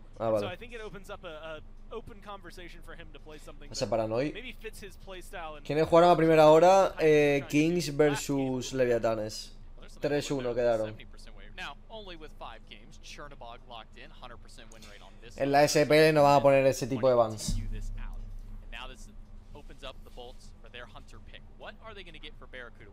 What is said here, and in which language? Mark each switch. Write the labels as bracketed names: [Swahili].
[Spanish] Ah, vale. [English] So I think it opens up a open conversation for him to play something. [Spanish] Ese paranoi. [English] Maybe fits his play style and [Spanish] ¿quiénes jugaron a primera hora? Kings versus Leviatanes. 3-1 quedaron. [English] Now, only with 5 games, Chernobog locked in, 100% win rate on this. [Spanish] En la SPL no van a poner ese tipo de bans. [English] Now this opens up the Bolts for their Hunter pick. What are they going to get for Barracuda?